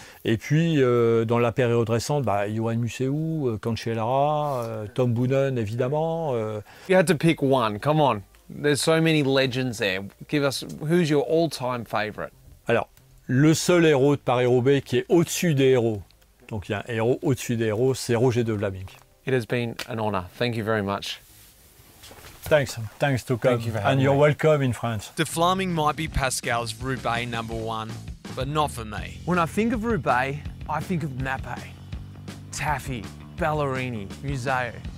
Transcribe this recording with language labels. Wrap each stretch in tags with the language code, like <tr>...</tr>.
<fr>Et puis dans la période récente, Johan Museu, Cancellara, Tom Boonen évidemment.</fr> <en>You had to pick one, come on, there's so many legends there, give us, who's your all-time favorite?</en> <fr>Alors, le seul héros de Paris-Roubaix qui est au-dessus des héros, donc il y a un héros au-dessus des héros, c'est Roger De Vlaeminck.</fr> <en>It has been an honor, thank you very much. Thanks to come. Thank you for having and you're me. Welcome in France. De Vlaeminck might be Pascal's Roubaix number one, but not for me. When I think of Roubaix, I think of Mappe, Taffy, Ballerini, Museo.</en>